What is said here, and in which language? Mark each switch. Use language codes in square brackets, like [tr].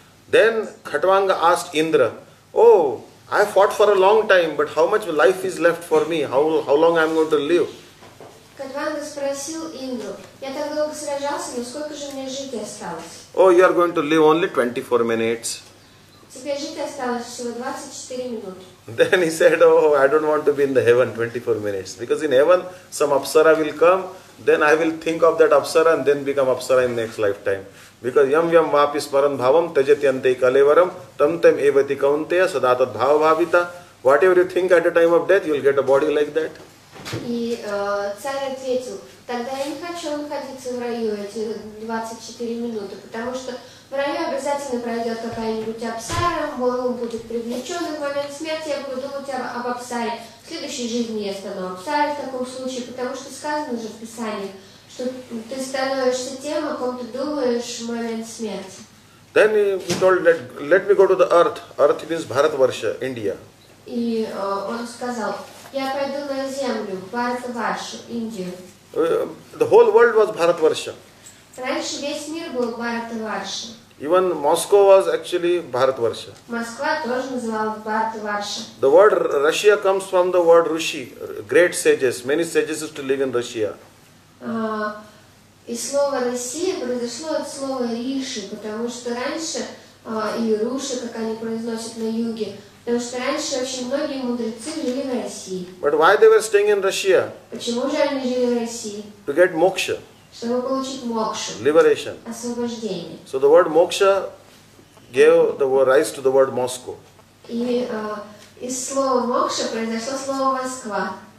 [en] Then Khatvanga asked Indra, "Oh, I fought for a long time, but how much life is left for me? How long I am going to live?" [ru] Khatvanga спросил Индру, я так долго сражался, но сколько же мне жить осталось? [en] Oh, you are going to live only 24 minutes. [ru] Тебе жить осталось всего 24 минуты. [en] Then he said, oh, I don't want to be in the heaven 24 minutes. Because in heaven, some apsara will come, then I will think of that apsara and then become apsara in next lifetime. Because [sa] yam yam vapi smaran bhavam tajatyante kalevaram tam tam evati kaunteya sadatat bhava bhavita. [en] Whatever you think at the time of death, you will get a body like that. [ru] И царь ответил, тогда я не хочу находиться в раю эти 24 минуты, потому что про нее обязательно пройдет какая-нибудь апсара, он будет привлечен в момент смерти, я буду думать об апсаре. В следующей жизни я стану апсарой в таком случае, потому что сказано же в Писании, что ты становишься тем, о ком ты думаешь в момент смерти. [en] Then he told, let me go to the earth. Earth means Bharatvarsha, India. [ru] И он сказал, я пойду на землю, Bharatvarsha, Индию. [en] The whole world was Bharatvarsha. [ru] Раньше весь мир был Bharatvarsha. [en] Even Moscow was actually Bharatvarsha. [ru] Москва тоже называлась Bharatvarsha. [en] The word Russia comes from the word Rishi, great sages. Many sages used to live in Russia. [ru] И слово Россия произошло от слова Риши, потому что раньше, или Руши, как они произносят на юге, потому что раньше очень многие мудрецы жили в России. [en] But why they were staying in Russia? [ru] Почему же они жили в России? [en] To get moksha. [ru] Чтобы получить мокшу. [en] Liberation. [ru] Освобождение. [en] So the word moksha gave the rise to the word Moscow. [ru] И из слова мокша произошло слово Москва.